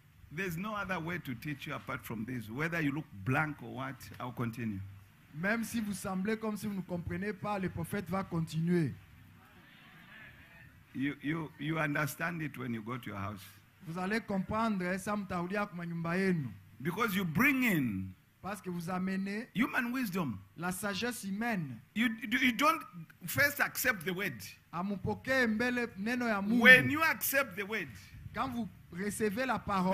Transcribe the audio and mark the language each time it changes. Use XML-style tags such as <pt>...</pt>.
<en>There's no other way to teach you apart from this. Whether you look blank or what, I'll continue.</en> <fr>Même si vous semblez comme si vous ne comprenez pas, le prophète va continuer.</fr> <en>You understand it when you go to your house.</en> <fr>Vous allez comprendre ça</fr> <sw>mtaulia kwa nyumba yenu.</sw> <en>Because you bring in,</en> <fr>parce que vous amenez</fr> <en>human wisdom,</en> <fr>la sagesse humaine.</fr> <en>You don't first accept the word.</en> <sw>Amupoke mbele neno ya Mungu.</sw> <en>When you accept the word,</en> <fr>quand vous recevez la parole,</fr>